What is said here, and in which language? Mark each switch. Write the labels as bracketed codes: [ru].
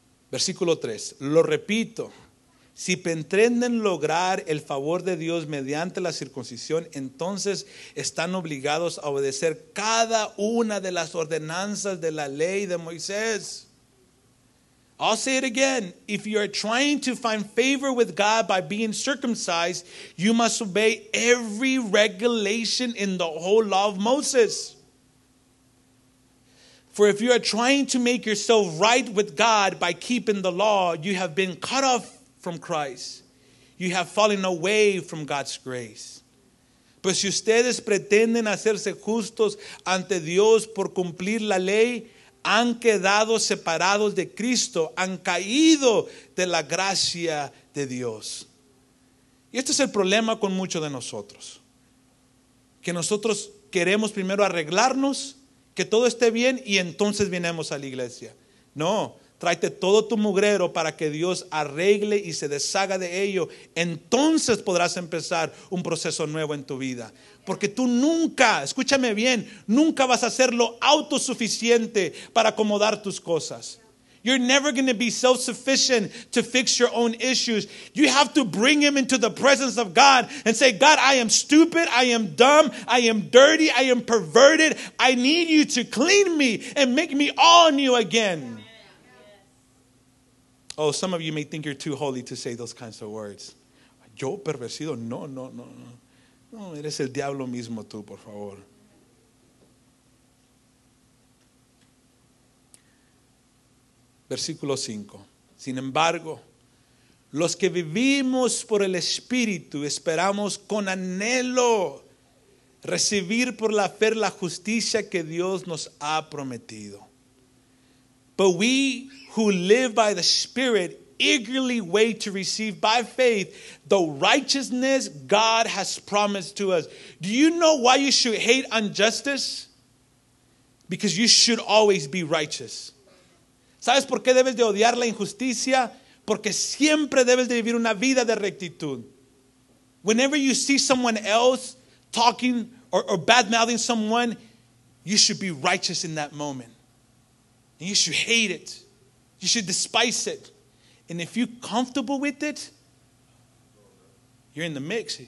[es] Versículo 3. Lo repito. Si pretenden lograr el favor de Dios mediante la circuncisión, entonces están obligados a obedecer cada una de las ordenanzas de la ley de Moisés. [en] I'll say it again. If you are trying to find favor with God by being circumcised, you must obey every regulation in the whole law of Moses. For if you are trying to make yourself right with God by keeping the law, you have been cut off from Christ. You have fallen away from God's grace. [es] Pues si ustedes pretenden hacerse justos ante Dios por cumplir la ley, han quedado separados de Cristo, han caído de la gracia de Dios. Y este es el problema con muchos de nosotros. Que nosotros queremos primero arreglarnos, que todo esté bien y entonces vinemos a la iglesia. No, tráete todo tu mugrero para que Dios arregle y se deshaga de ello. Entonces podrás empezar un proceso nuevo en tu vida. Porque tú nunca, escúchame bien, nunca vas a ser lo autosuficiente para acomodar tus cosas. [en] You're never going to be self-sufficient to fix your own issues. You have to bring him into the presence of God and say, God, I am stupid, I am dumb, I am dirty, I am perverted. I need you to clean me and make me all new again. Oh, some of you may think you're too holy to say those kinds of words. [es] Yo pervertido, no. No, eres el diablo mismo tú, por favor. Versículo 5. Sin embargo, los que vivimos por el Espíritu esperamos con anhelo recibir por la fe la justicia que Dios nos ha prometido. [en] But we who live by the Spirit eagerly wait to receive by faith the righteousness God has promised to us. Do you know why you should hate injustice? Because you should always be righteous. [es] ¿Sabes por qué debes de odiar la injusticia? Porque siempre debes de vivir una vida de rectitud. [en] Whenever you see someone else talking or bad-mouthing someone, you should be righteous in that moment. And you should hate it. You should despise it. And if you're comfortable with it, you're in the mix.